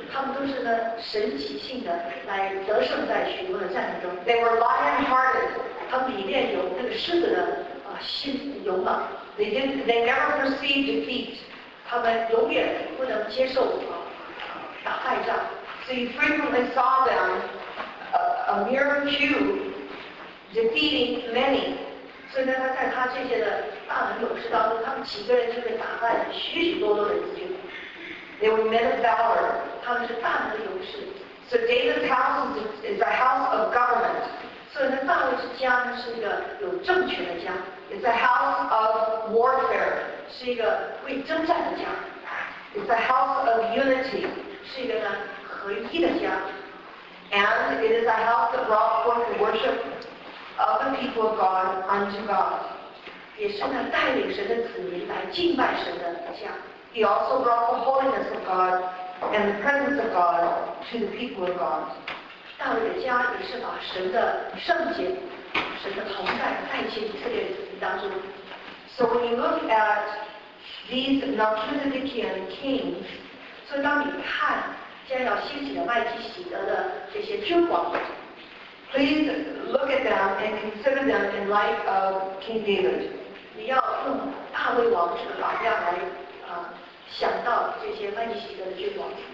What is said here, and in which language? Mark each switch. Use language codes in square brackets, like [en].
[zh] 他们都是呢神奇性的来得胜在许多的战争中。 [en] They were lion-hearted. [zh] 他们里面有那个狮子的心勇猛。 [en] They never perceived defeat. [zh] 他们永远不能接受打败仗。 [en] So you frequently saw them a mere few defeating many. [zh] 所以呢，他在他这些的大能勇士当中，他们几个人就被打败了许许多多的敌军。 [en] They were men of valor. [zh] 他们是大能的勇士。 [en] So David's house is a house of government. [zh] 所以呢，大卫之家呢是一个有政权的家。 [en] It's a house of warfare. [zh] 是一个为征战的家。 [en] It's a house of unity. [zh] 是一个呢合一的家。 [en] And it is a house that brought forth the worship of the people of God unto God. [zh] 也是呢带领神的子民来敬拜神的家。 [en] He also brought the holiness of God and the presence of God to the people of God. [zh] 大卫的家也是把神的圣洁、神的同在带进以色列人当中。 [en] So when you look at these Melchizedekian kings, [zh] 所以当你看将要兴起的麦基洗德的这些君王， [en] please look at them and consider them in light of King David. [zh] 你要用大卫王这个榜样来。想到这些麦基洗德的君王。